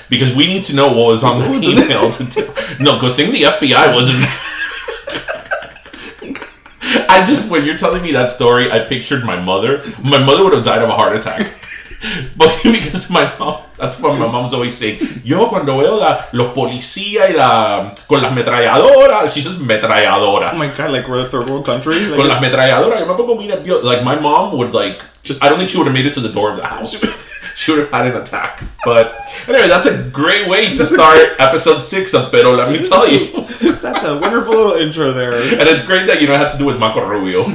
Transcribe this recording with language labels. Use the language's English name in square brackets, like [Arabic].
[English] Because we need to know what was on that email. No, good thing the FBI wasn't... when you're telling me that story, I pictured my mother. My mother would have died of a heart attack. But because my mom, that's what my mom's always saying. [Spanish] Yo cuando veo los policías y la con las metralladoras, [English] she says [Spanish] metralladora. [English] Oh my god, like we're a third world country. Like, [Spanish] con las metralladoras, yo me pongo mira, [English] like my mom would like just. I don't think she would have made it to the door of the house. She would have had an attack. But anyway, that's a great way to start episode 6 of Pero Let Me Tell You. That's a wonderful little intro there. And it's great that you don't have to do with Marco Rubio.